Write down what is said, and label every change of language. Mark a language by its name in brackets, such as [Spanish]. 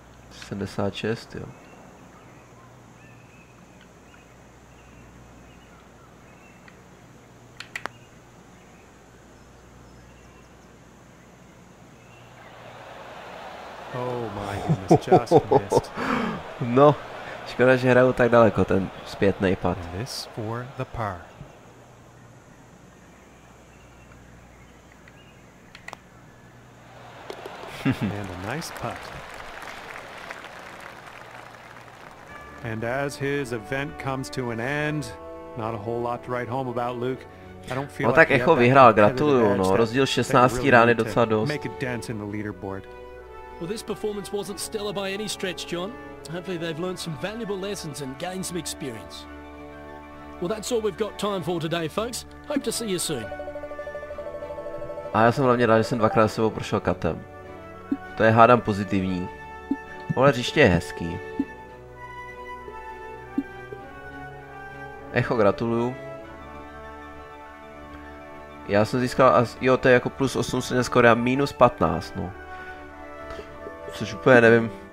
[Czech] 76, jo. [English] Oh my goodness, just missed. [Czech] No, škoda, že hraju tak daleko ten zpětnej putt. [English] And this for the par. And a nice putt. And as his event comes to an end, not a whole lot to write home about, Luke. I don't feel no, like [Czech] Echo vyhrál, gratuluju, no. Rozdíl 16 rány docela dost. [English] Make a dent in the leaderboard. Well, this performance wasn't stellar by any stretch, John. Hopefully they've learned some valuable lessons and gained some experience. Well, that's all we've got time for today, folks. Hope to see you soon. [Czech] A já jsem hlavně rád, že jsem dvakrát sebou prošel katem. To je hádám pozitivní. Ale hřiště je hezký. Echo, gratuluju. Já jsem získal, jo, to je jako plus 8 se skoro a minus 15, no. Což úplně nevím.